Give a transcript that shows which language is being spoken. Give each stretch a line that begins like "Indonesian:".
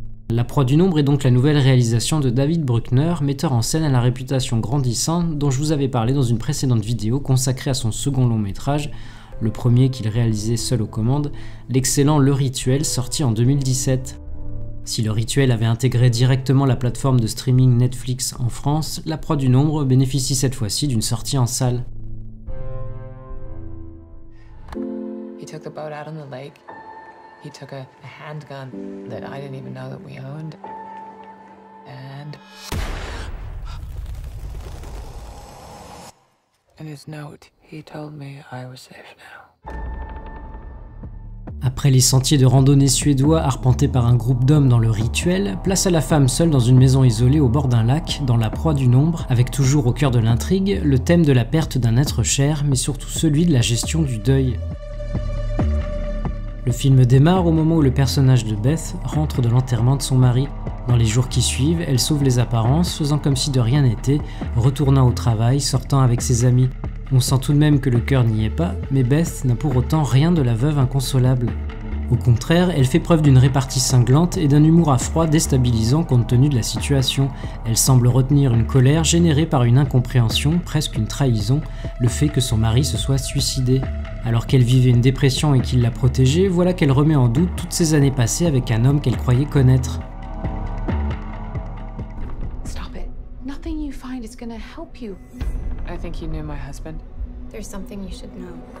French: La Proie du Nombre est donc la nouvelle réalisation de David Bruckner, metteur en scène à la réputation grandissante dont je vous avais parlé dans une précédente vidéo consacrée à son second long métrage, le premier qu'il réalisait seul aux commandes, l'excellent Le Rituel, sorti en 2017. Si Le Rituel avait intégré directement la plateforme de streaming Netflix en France, La Proie du Nombre bénéficie cette fois-ci d'une sortie en salle.
English: He took the boat out on the lake. He took a handgun that I didn't even know that we owned, and in his note, he told me I was safe now.
French: Après les sentiers de randonnée suédois arpentés par un groupe d'hommes dans Le Rituel, place à la femme seule dans une maison isolée au bord d'un lac, dans La Proie du Nombre, avec toujours au cœur de l'intrigue le thème de la perte d'un être cher, mais surtout celui de la gestion du deuil. Le film démarre au moment où le personnage de Beth rentre de l'enterrement de son mari. Dans les jours qui suivent, elle sauve les apparences, faisant comme si de rien n'était, retournant au travail, sortant avec ses amis. On sent tout de même que le cœur n'y est pas, mais Beth n'a pour autant rien de la veuve inconsolable. Au contraire, elle fait preuve d'une répartie cinglante et d'un humour à froid déstabilisant compte tenu de la situation. Elle semble retenir une colère générée par une incompréhension, presque une trahison, le fait que son mari se soit suicidé. Alors qu'elle vivait une dépression et qu'il l'a protégée, voilà qu'elle remet en doute toutes ces années passées avec un homme qu'elle croyait connaître.
English: Stop it. Nothing you find is gonna help you. I think you knew my husband. There's something you should know.